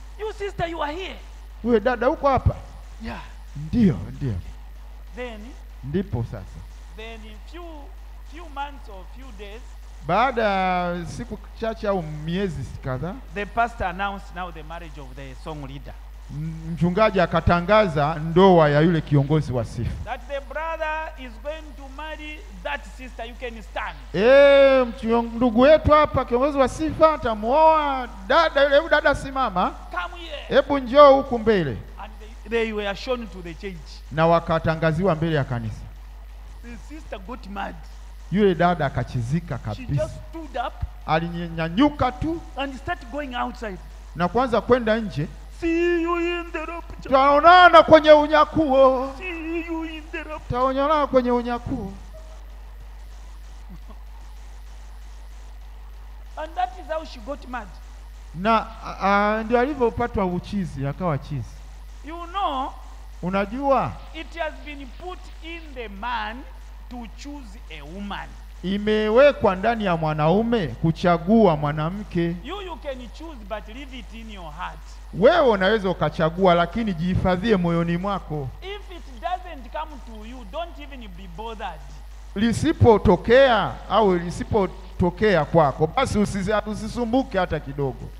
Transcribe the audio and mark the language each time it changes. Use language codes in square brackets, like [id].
[en] You sister, you are here. [sw] Uwe dada huko hapa. [en] Yeah. [sw] Ndiyo, ndiyo. [en] Then. [sw] Ndipo sasa. [en] Then in few months or few days. [sw] Baada siku chache au miezi kadha. [en] The pastor announced now the marriage of the song leader. [sw] Mchungaji akatangaza ndoa ya yule kiongozi wa sifa. [en] That the brother is going to marry that sister, you can stand. [sw] Ndugu wetu hapa kiongozi wa sifa atamuoa dada, hebu dada simama. [en] Come here. [sw] Hebu njoo huku mbele. [en] And they were shown to the church. [sw] Na wakatangaziwa mbele ya kanisa. [en] The sister got mad. [sw] Yule dada akachizika kabisa. [en] She just stood up. [sw] Alinyanyuka tu. [en] And started going outside. [sw] Na kwanza kwenda nje. [en] See you in the rapture. [sw] Taonana kwenye unyakuo. [en] See you in the rapture. [sw] Taonana kwenye unyakuo. [en] And that is how she got mad. [sw] Na ndio alivyopatwa uchizi, akawa chizi. [en] You know, [sw] unajua, [en] it has been put in the man to choose a woman. [sw] Imewekwa ndani ya mwanaume kuchagua mwanamke. [en] You can choose but leave it in your heart. [sw] Wewe unaweza ukachagua lakini jihifadhie moyoni mwako. [en] If it doesn't come to you, don't even be bothered. [sw] Lisipotokea au lisipotokea kwako, basi usisumbuke hata kidogo.